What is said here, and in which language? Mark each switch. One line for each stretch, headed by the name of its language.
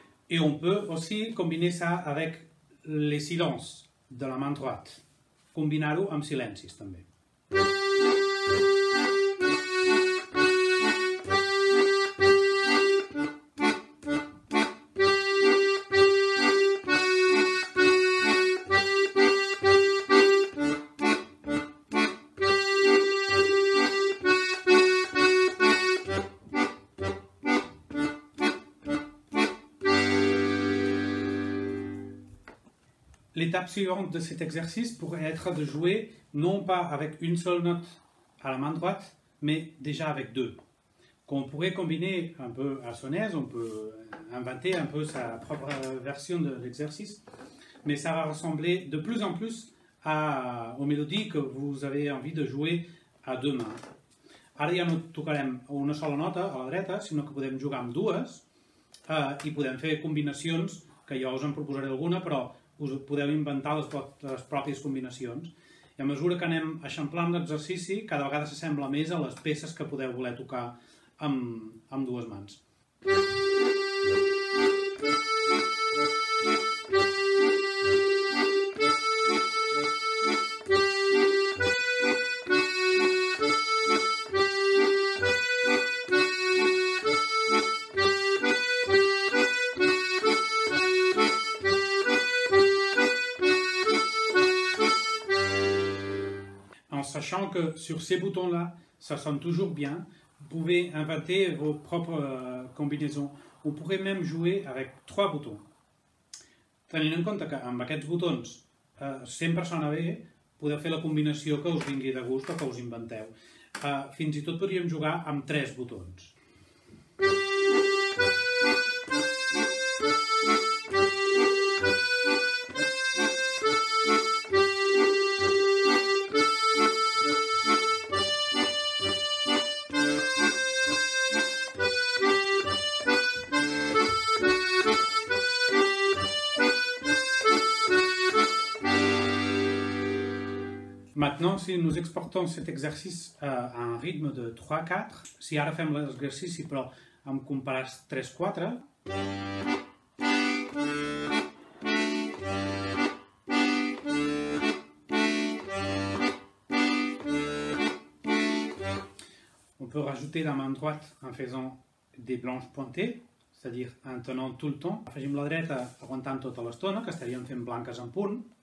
French: Et on peut aussi combiner ça avec les silences de la main droite.
Catalan: Combinar-ho amb silencis, també.
French: L'étape suivante de cet exercice pourrait être de jouer non pas avec une seule note à la main droite, mais déjà avec deux. Qu'on pourrait combiner un peu à son aise, on peut inventer un peu sa propre version de l'exercice, mais ça va ressembler de plus en plus aux mélodies que vous avez envie de jouer à deux mains.
Catalan: Ara ja no tocarem una sola nota a la dreta, sinó que podem jugar amb dues i podem fer combinacions, que jo us en proposaré alguna, però us podeu inventar les pròpies combinacions. I a mesura que anem eixamplant l'exercici, cada vegada s'assembla més a les peces que podeu voler tocar amb dues mans.
French: sachant que sur ces boutons-là, ça sonne toujours bien. Vous pouvez inventer vos propres combinaisons. On pourrait même jouer avec trois boutons.
Catalan: Tenint en compte que amb aquests boutons sempre sona bé, podeu fer la combinació que us vingui de gust o que us inventeu. Fins i tot podríem jugar amb tres botons.
French: Maintenant, si nous exportons cet exercice à un rythme de 3-4,
Catalan: si ara fem l'exercici però amb compàs 3-4,
French: on peut rajouter la main droite en faisant des blanches pointées, c'est-à-dire en tenant tout le temps.
Catalan: Afegim la dreta aguantant tota l'estona, que estaríem fent blanques en punt.